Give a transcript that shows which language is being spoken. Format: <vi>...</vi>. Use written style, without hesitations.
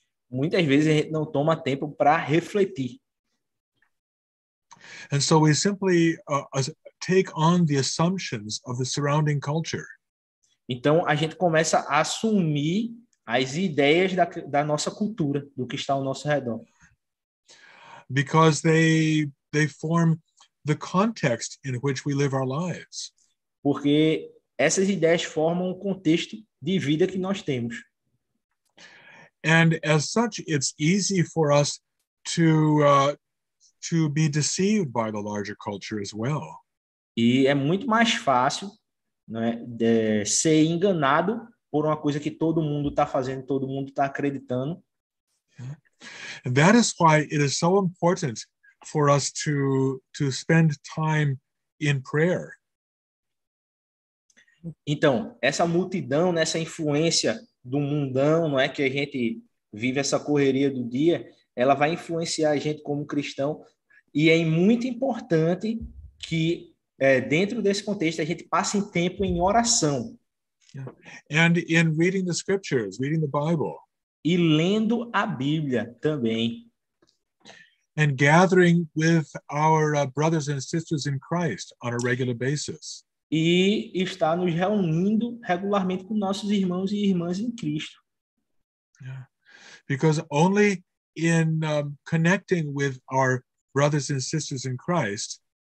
<pt>Muitas vezes a gente não toma tempo para refletir.</pt> <en>And so we simply take on the assumptions of the surrounding culture.</en> <pt>Então a gente começa a assumir as ideias da nossa cultura, do que está ao nosso redor.</pt> <en>Because they form the context in which we live our lives.</en> <pt>Porque essas ideias formam o contexto de vida que nós temos.</pt> <en>And as such, it's easy for us to be deceived by the larger culture as well.</en> <pt>E é muito mais fácil, né, de ser enganado por uma coisa que todo mundo está fazendo, todo mundo está acreditando.</pt> <en>And that is why it is so important for us to spend time in prayer.</en> <pt>Então, essa multidão, nessa influência do mundão, não é, que a gente vive essa correria do dia, ela vai influenciar a gente como cristão, e é muito importante que dentro desse contexto a gente passe tempo em oração.</pt> <en>Yeah. And in reading the scriptures, reading the Bible.</en> <pt>E lendo a Bíblia também.</pt> <en>And gathering with our brothers and sisters in Christ on a regular basis.</en> <pt>E está nos reunindo regularmente com nossos irmãos e irmãs em Cristo.</pt> <en>Yeah. Because only in connecting with our brothers and sisters in Christ,</en>